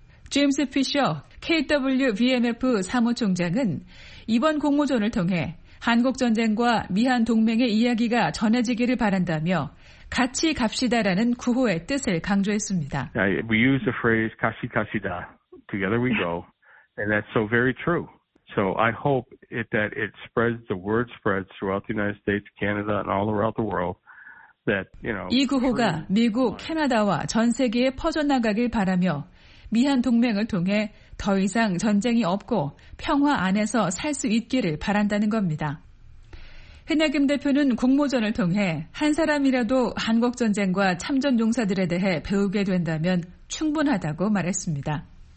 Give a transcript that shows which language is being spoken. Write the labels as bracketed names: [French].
[Korean] 제임스 피셔 KWVMF 사무총장은 이번 공모전을 통해 한국전쟁과 미한동맹의 이야기가 전해지기를 바란다며 같이 갑시다라는 구호의 뜻을 강조했습니다. [English] We use the phrase [Korean] 같이 갑시다. [English] Together we go. And that's so very true. So I hope that it spreads, the word spreads throughout the United States, Canada, and all around the world. [Korean] 이 구호가 미국, 캐나다와 전 세계에 퍼져나가길 바라며 미한동맹을 통해 더 이상 전쟁이 없고 평화 안에서 살 수 있기를 바란다는 겁니다. 흔하김 대표는 공모전을 통해 한 사람이라도 한국전쟁과 참전용사들에 대해 배우게 된다면 충분하다고 말했습니다.